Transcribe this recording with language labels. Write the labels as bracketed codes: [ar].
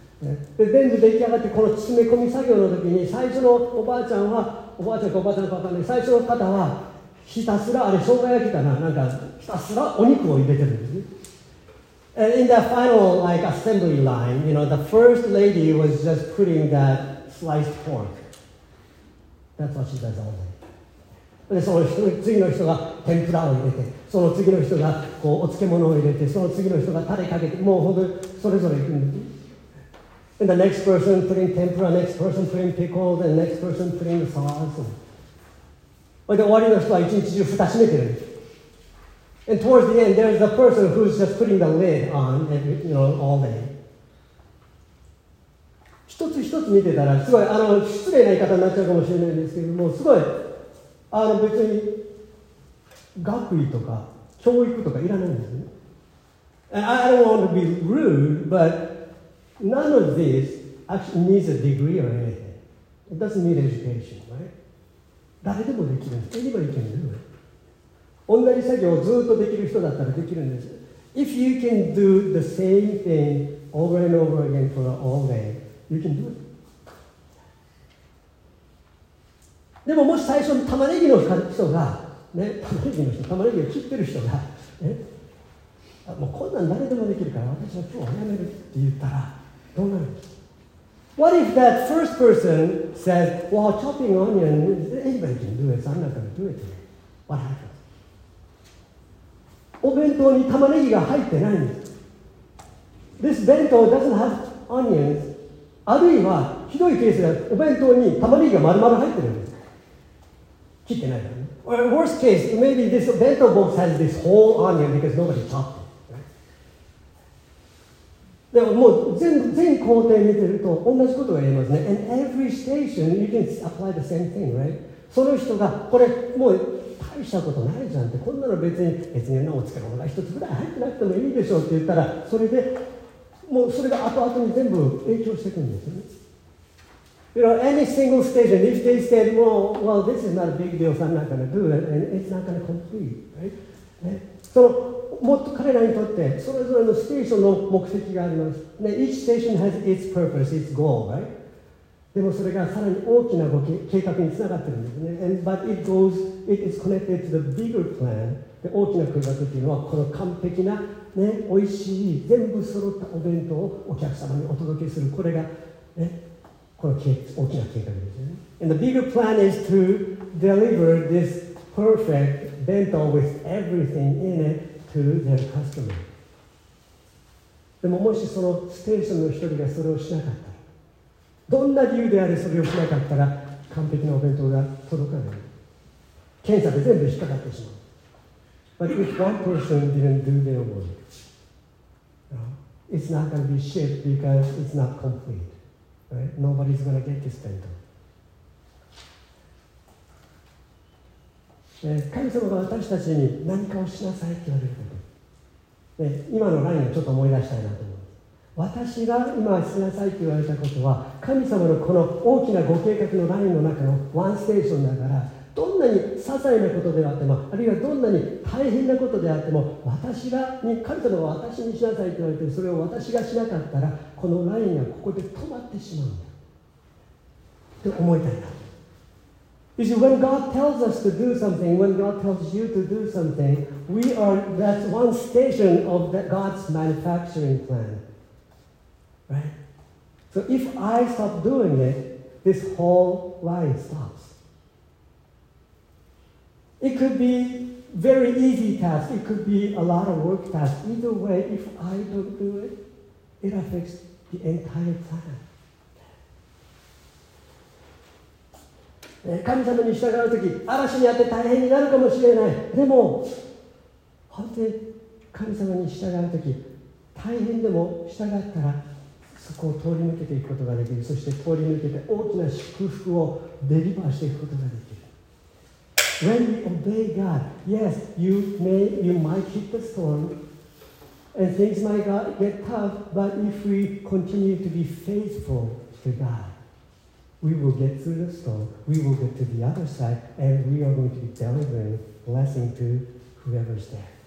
[ja] で、全部出来上がって、この詰め込み作業の時に、最初のおばあちゃんは、おばあちゃんかおばあちゃんかわかんない、最初の方は、ひたすら、あれ、生姜焼きかな、なんか、ひたすらお肉を入れてるんですね。 [en] And in the final, like, assembly line, you know, the first lady was just putting that sliced pork. That's what she does all day. [ja] で、その次の人が天ぷらを入れて、その次の人がこうお漬物を入れて、その次の人がタレかけて、もう本当にそれぞれ行くんです。 [en] And the next person putting tempura, next person putting pickles, and next person putting the sauce. [ja] で、終わりの人は一日中蓋閉めてる。 [en] And towards the end, there's the person who's just putting the lid on every, you know, all day. [ja] 一つ一つ見てたらすごいあの失礼な言い方になっちゃうかもしれないですけどもすごいあの別に学位とか教育とかいらないんですね。 [en] And、I don't want to be rude, but none of this actually needs a degree or anything. It doesn't need education, right? [ja] 誰でもできるんです。 [en] Anybody can do it. [ja] 同じ作業をずっとできる人だったらできるんです。 [en] If you can do the same thing over and over again for all day,You can do it. [ja] でももし最初に玉ねぎの人が、ね、玉ねぎを切ってる人が、ね、もうこんなん誰でもできるから私は今日はやめるって言ったらどうなるんですか。 [en] What if that first person says, well, chopping onion, anybody can do it, so I'm not going to do it today. What happens? [ja] お弁当に玉ねぎが入ってないんです。 [en] This bento doesn't have onions. [ja] あるいは、ひどいケースでお弁当に玉ねぎが丸々入ってるんです。切ってないからね。 [en] Or worst case, maybe this bento box has this whole onion because nobody chopped it. [ja] でももう 全工程見てると同じことが言えますね。 [en] And every station you can apply the same thing, right? [ja] その人がこれもう大したことないじゃんって、こんなの別にお疲れもない一つぐらい入ってなくてもいいでしょうって言ったら、それでもうそれが後々に全部影響してくるんですよね。 [en] You know, any single station, if they said, well, this is not a big deal, so I'm not going to do it, and it's not going to complete, right? [ja] ね、そのもっと彼らにとってそれぞれのステーションの目的があります。ね、 [en] Each station has its purpose, its goal, right? [ja] でもそれがさらに大きな計画につながってるんですね。 [en] And, but it goes, it is connected to the bigger plan. [ja] で大きな計画っていうのはこの完璧な、ね、おいしい全部揃ったお弁当をお客様にお届けする、これが、ね、この大きな計画ですね。 [en] And the bigger plan is to deliver this perfect bento with everything in it. To their customer. [ja] でももしそのステーションの一人がそれをしなかったら、どんな理由であれそれをしなかったら、完璧なお弁当が届かない。検査で全部引っかかってしまう。 [en] But if one person didn't do their work, it's not going to be shipped because it's not complete. Right? Nobody's going to get this bento. [ja] 神様が私たちに何かをしなさいって言われること、今のラインをちょっと思い出したいなと思います。私が今しなさいって言われたことは、神様のこの大きなご計画のラインの中のワンステーションだから、どんなに些細なことであっても、あるいはどんなに大変なことであっても、私がに神様が私にしなさいって言われて、それを私がしなかったら、このラインがここで止まってしまうんだって思いたいな。 [en] You see, when God tells us to do something, when God tells you to do something, we are, that's one station of that God's manufacturing plan. Right? So if I stop doing it, this whole line stops. It could be very easy task. It could be a lot of work task. Either way, if I don't do it, it affects the entire plan. [ja] 神様に従うとき、嵐にあって大変になるかもしれない。でも、本当に神様に従うとき、大変でも従ったら、そこを通り抜けていくことができる。そして通り抜けて大きな祝福をデリバーしていくことができる。 [en] When you obey God, yes, you might hit the storm, and things might get tough, but if we continue to be faithful to God,We will get through the storm, we will get to the other side, and we are going to be delivering blessing to whoever's there.